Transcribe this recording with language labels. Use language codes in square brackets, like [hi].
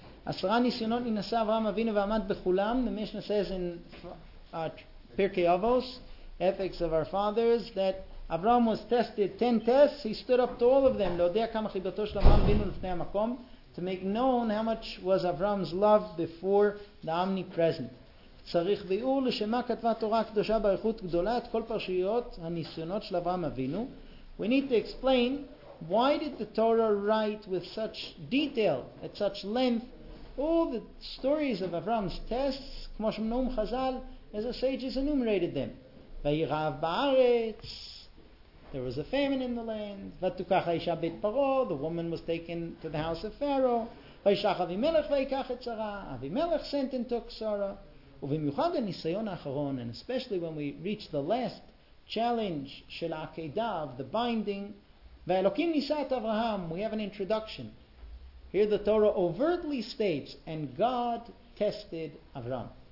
[he] Asra nisyonot ninasa Avraham Avinu v'amad b'chulam. [en] The Mishnah says in Pirkei Avos, Ethics of Our Fathers, that Avraham was tested 10 tests. He stood up to all of them. [he] Lo'odea kama chibato shel Avraham Avinu lifnei ha'makom, [en] to make known how much was Avraham's love before the omnipresent. [he] צריך ביאור לשמה כתבה תורה קדושה באריכות גדולה את כל פרשיות הניסיונות של אברהם אבינו. [en] We need to explain why did the Torah write with such detail, at such length, all the stories of Avram's tests, [he] כמו שמנום חזל, [en] as the sages enumerated them. [he] ויירב בארץ, [en] there was a famine in the land. [he] ותוקח האישה בית פרעה, [en] the woman was taken to the house of Pharaoh. [he] וישלח אבימלך ויקח את שרה, אבימלך [en] sent and took Sarah. ובמיוחד הניסיון האחרון, and especially when we reach the last challenge [he] של העקידה [en] of the binding, [he] והאלוקים ניסה את אברהם, [en] we have an introduction. Here the Torah overtly states, and God tested Avram.